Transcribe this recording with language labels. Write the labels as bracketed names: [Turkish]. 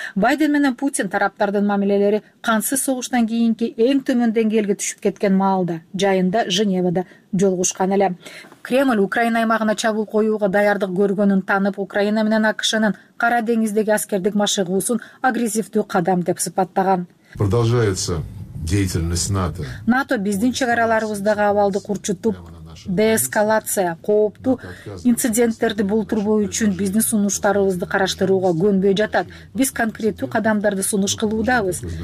[Kyrgyz] Байден менен Путин тараптардын мамилелери кансыз согуштан кийинки эң төмөн деңгээлге түшүп кеткен маалда жайында Женевада жолугушкан эле. Кремль Украина аймагына чабуул коюуга даярдык көргөнүн танып, Украина менен АКШнын Кара деңиздеги аскердик машыгуусун агрессивдүү кадам деп сыпаттаган. [Russian] Продолжается деятельность НАТО. [Kyrgyz] НАТО биздин чек араларыбыздагы абалды курчутуп, деэскалация, кооптуу инциденттерди болтурбоо үчүн биздин сунуштарыбызды караштырууга көнбөй жатат. Биз конкреттүү кадамдарды сунуш кылуудабыз.